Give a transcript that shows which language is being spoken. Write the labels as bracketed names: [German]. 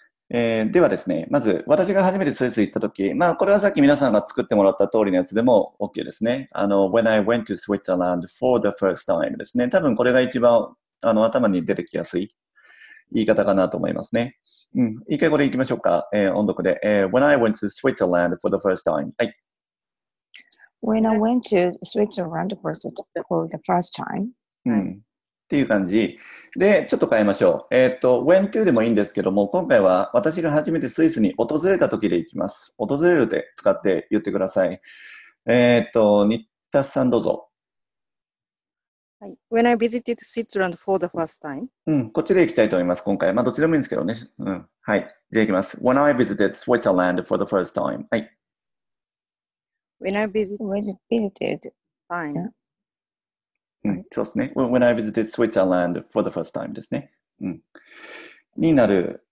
[Japanese] ではですね、まず私が初めてスイス行ったとき、まあこれはさっき皆さんが作ってもらった通りのやつでも OK ですね。 [English] When I went to Switzerland for the first time [Japanese] ですね。多分これが一番頭に出てきやすい言い方かなと思いますね。うん。一回これ行きましょうか。音読で。 [English] When I went to Switzerland for the first time。 [Japanese] はい。 [English] When I went to Switzerland for the first time。 [Japanese] うん。っていう感じ。で、ちょっと変えましょう。When to でもいいんですけども、今回は私が初めてスイスに訪れた時で行きます。訪れるで使って言ってください。新田さんどうぞ。 [English] When I visited Switzerland for the first time. [Japanese] うん、こっちで行きたいと思います、今回。まあ、どちらもいいんですけどね。うん。はい。じゃあ行きます。 [English] When I visited Switzerland for the first time. はい。 When I visited Switzerland. [Japanese] うん、そうですね。 [English] When I visited Switzerland for the first time [Japanese] ですね。うん。になる。